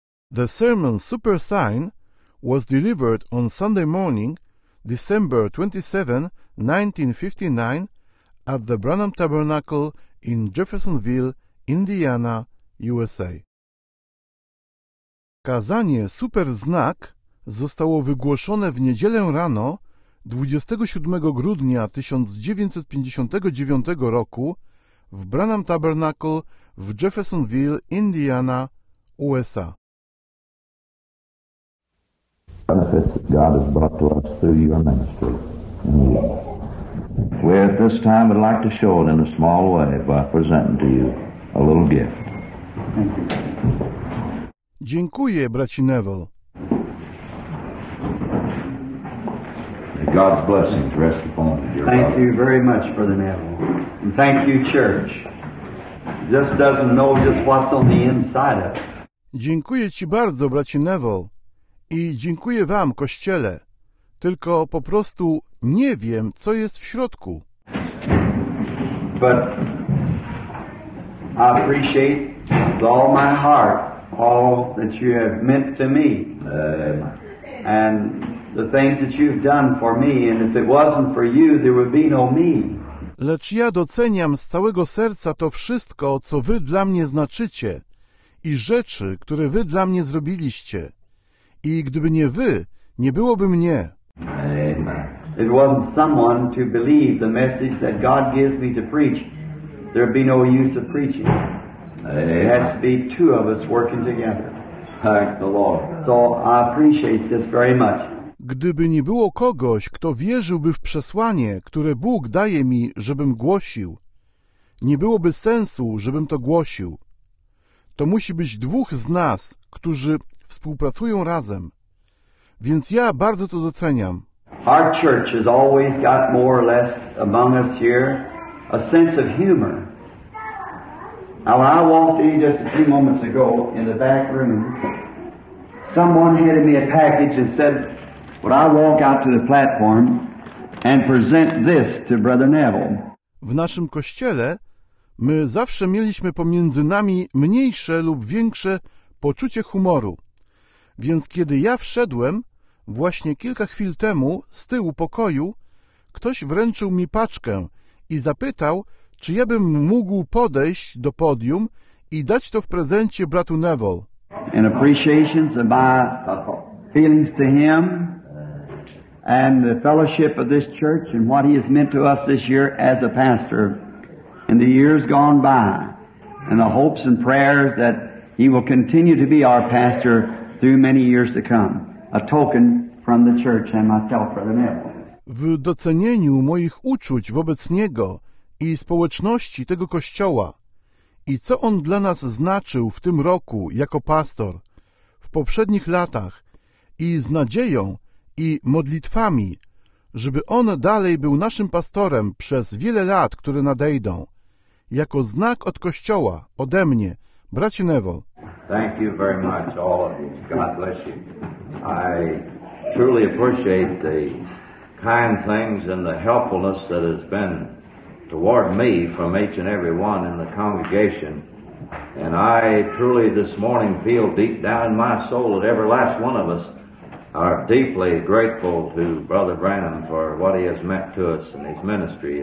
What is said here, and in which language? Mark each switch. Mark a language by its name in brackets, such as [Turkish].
[English] The sermon Super Sign was delivered on Sunday morning, December 27, 1959, at the Branham Tabernacle in Jeffersonville, Indiana, USA. [Polish] Kazanie Super Znak zostało wygłoszone w niedzielę rano 27 grudnia 1959 roku w Branham Tabernacle w Jeffersonville, Indiana, USA. [English] Benefits that God has brought to us through your ministry. We at this time would like to show it in a small way by presenting to you a little gift. [Polish] Dziękuję, braci Neville. [English] May God's blessings rest upon you. Thank you very much, Brother Neville. And thank you, church. Just doesn't know just what's on the inside of it. [Polish] Dziękuję ci bardzo, braci Neville. I dziękuję wam, Kościele. Tylko po prostu nie wiem, co jest w środku. [English] But I appreciate with all my heart all that you have meant to me. And the things that you've done for me, and if it wasn't for you, there would be no me. [Polish] Lecz ja doceniam z całego serca to wszystko, co wy dla mnie znaczycie i rzeczy, które wy dla mnie zrobiliście. I gdyby nie wy, nie byłoby mnie. [English] If it wasn't someone to believe the message that God gives me to preach, there'd be no use of preaching. It has to be two of us working together. Thank the Lord. So I appreciate this very much. [Polish] Gdyby nie było kogoś, kto wierzyłby w przesłanie, które Bóg daje mi, żebym głosił, nie byłoby sensu, żebym to głosił. To musi być dwóch z nas, którzy współpracują razem. Więc ja bardzo to doceniam. [English] Our church has always got more or less among us here a sense of humor. Now, when I walked in just a few moments ago in the back room, someone handed me a package and said, "Would I walk out to the platform and present this to Brother Neville?" [Polish] W naszym kościele my zawsze mieliśmy pomiędzy nami mniejsze lub większe poczucie humoru. Więc kiedy ja wszedłem, właśnie kilka chwil temu, z tyłu pokoju, ktoś wręczył mi paczkę i zapytał, czy ja bym mógł podejść do podium i dać to w prezencie bratu Neville. [English] In appreciation of my feelings to him and the fellowship of this church and what he has meant to us this year as a pastor in the years gone by and the hopes and prayers that he will continue to be our pastor through many years to come. A token from the church and myself, Brother Neville. [Polish] W docenieniu moich uczuć wobec niego i społeczności tego kościoła i co on dla nas znaczył w tym roku jako pastor, w poprzednich latach i z nadzieją i modlitwami, żeby on dalej był naszym pastorem przez wiele lat, które nadejdą, jako znak od kościoła, ode mnie, bracie Neville. [English] Thank you very much, all of you. God bless you. I truly appreciate the kind things and the helpfulness that has been toward me from each and every one in the congregation. And I truly this morning feel deep down in my soul that every last one of us are deeply grateful to Brother Branham for what he has meant to us in his ministry.